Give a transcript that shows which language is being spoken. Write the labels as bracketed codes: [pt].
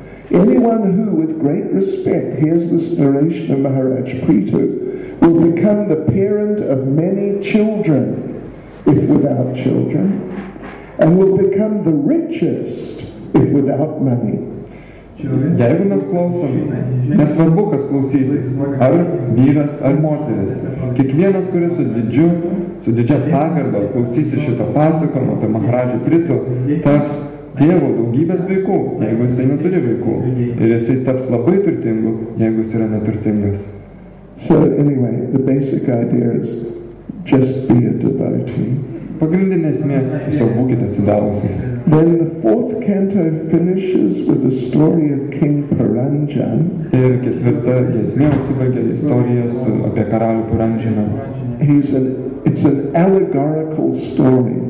[en] Anyone who, with great respect, hears this narration of Maharaj Pritu will become the parent of many children, if without children, and will become the richest, if without money. [lt] Jeigu mes klausom, nesvarbu, kas klausysis, ar vyras, ar moteris, kiekvienas, kuris su didžia pagarba klausysi šito pasakojimo apie Maharadžą Pritu, taps tėvo daugybės vaikų, jeigu jisai neturi vaikų, ir jisai taps labai turtingu, jeigu jis yra neturtingas. [en] So anyway, the basic idea is just be a devotee. [lt] Pagrindinė esmė, tiesiog būkite atsidavusiais. [en] Then the fourth canto finishes with the story of King Paranjan. [lt] Ir ketvirta esmė užsibaigia istorija apie karalių Paranjaną. [en] It's an allegorical story.